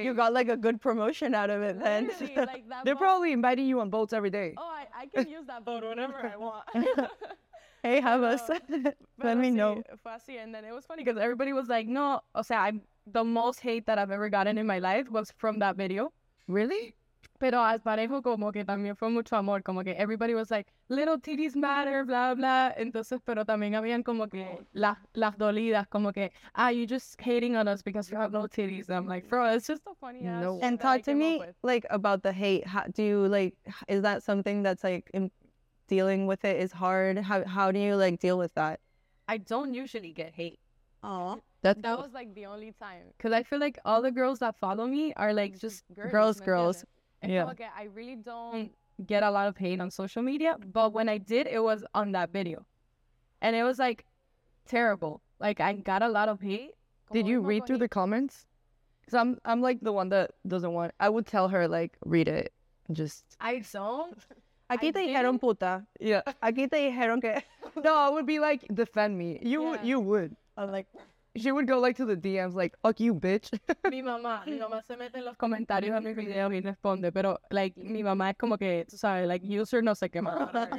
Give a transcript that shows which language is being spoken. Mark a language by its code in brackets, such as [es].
[en] You got, like, a good promotion out of it then. Like, they're probably inviting you on boats every day. Oh, I can use that boat whenever I want. Hey, have us. Let me know. [es] Fue así. [en] And then it was funny because everybody was like, no, [es] o sea, [en] I'm... The most hate that I've ever gotten in my life was from that video. Really? [es] Pero as parejo, como que también fue mucho amor. Como que [en] everybody was like, little titties matter, blah, blah. [es] Entonces, pero también habían como que las dolidas. Como que, [en] ah, you just hating on us because you have no titties. And I'm like, bro, it's just a funny ass nope. And talk to me, like, about the hate. How, do you, like, is that something that's, like, dealing with it is hard? How do you, like, deal with that? I don't usually get hate. Aw. That's that cool. was, like, the only time. Because I feel like all the girls that follow me are, like, just girls. And yeah. Okay, I really don't get a lot of hate on social media. But when I did, it was on that video. And it was, like, terrible. Like, I got a lot of hate. Did you read through the comments? Because I'm like, the one that doesn't want... I would tell her, like, read it. Just... I don't. [es] Aquí te dijeron puta. [en] Yeah. [es] Aquí te dijeron que... [en] No, I would be, like, defend me. You would. I'm like... She would go, like, to the DMs, like, fuck you, bitch. [es] Mi mamá se mete en los comentarios a mi video y responde, pero, like, mi mamá es como que, tú sabes, like, user no sé qué más.